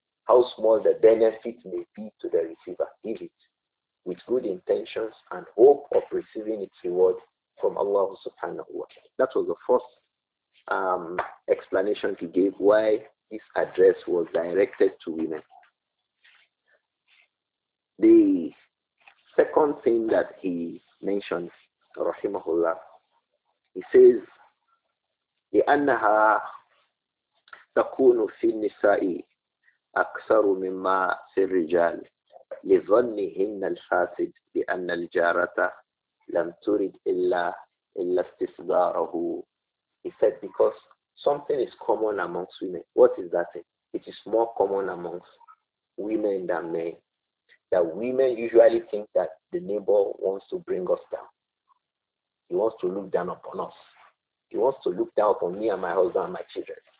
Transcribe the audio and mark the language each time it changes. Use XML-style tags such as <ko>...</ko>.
<en>how small the benefit may be to the receiver, give it with good intentions and hope of receiving its reward from Allah subhanahu wa ta'ala. That was the first explanation he gave why this address was directed to women. The second thing that he mentioned, rahimahullah, he says,</en> <ar>لِأَنَّهَا تَكُونُ فِي النِّسَاءِ أَكْثَرُ مِمَّا فِي الرِّجَالِ لِظَنِّهِنَّ الْفَاسِدِ لِأَنَّ الْجَارَةَ لَمْ تُرِدْ إِلَّا اسْتِصْدَارَهُ.</ar> <en>He said, because something is common amongst women. What is that? It is more common amongst women than men. That women usually think that the neighbor wants to bring us down. He wants to look down upon us. He wants to look down upon me and my husband and my children.</en>